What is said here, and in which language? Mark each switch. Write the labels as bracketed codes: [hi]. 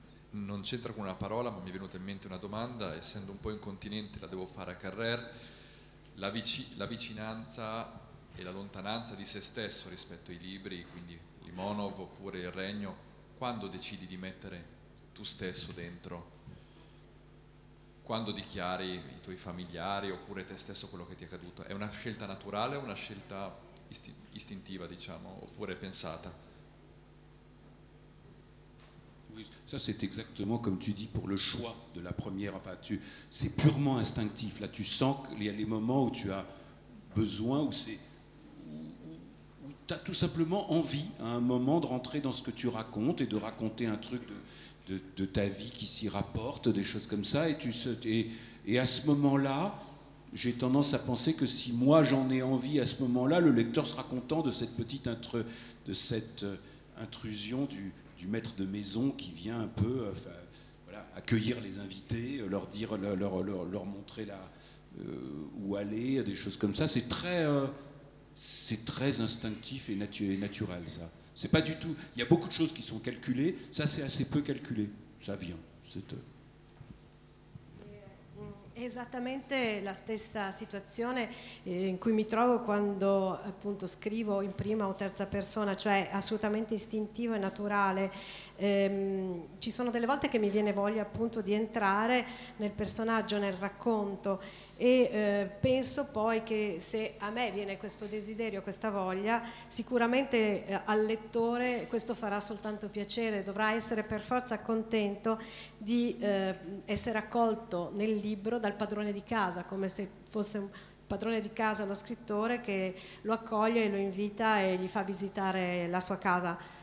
[it] Non c'entra con una parola, ma mi è venuta in mente una domanda, essendo un po' incontinente la devo fare a Carrère: la vicinanza e la lontananza di se stesso rispetto ai libri, quindi Limonov oppure Il Regno, quando decidi di mettere tu stesso dentro? Quando dichiari i tuoi familiari oppure te stesso quello che ti è accaduto? È una scelta naturale o una scelta istintiva, diciamo, oppure pensata? [fr] Ça, c'est exactement comme tu dis pour le choix de la première. Enfin, c'est purement instinctif. Là, tu sens qu'il y a les moments où tu as besoin, où tu as tout simplement envie, à un moment, de rentrer dans ce que tu racontes et de raconter un truc de ta vie qui s'y rapporte, des choses comme ça. Et à ce moment-là, j'ai tendance à penser que si moi j'en ai envie à ce moment-là, le lecteur sera content de cette petite intrusion du maître de maison qui vient un peu accueillir les invités, leur dire, leur montrer où aller, des choses comme ça. C'est très instinctif et naturel, ça. C'est pas du tout. Il y a beaucoup de choses qui sont calculées. Ça, c'est assez peu calculé. Ça vient. [it] Esattamente la stessa situazione in cui mi trovo quando appunto scrivo in prima o terza persona, cioè assolutamente istintivo e naturale. Ci sono delle volte che mi viene voglia appunto di entrare nel personaggio, nel racconto, e penso poi che se a me viene questo desiderio, questa voglia, sicuramente al lettore questo farà soltanto piacere, dovrà essere per forza contento di essere accolto nel libro dal padrone di casa, come se fosse un padrone di casa lo scrittore che lo accoglie e lo invita e gli fa visitare la sua casa.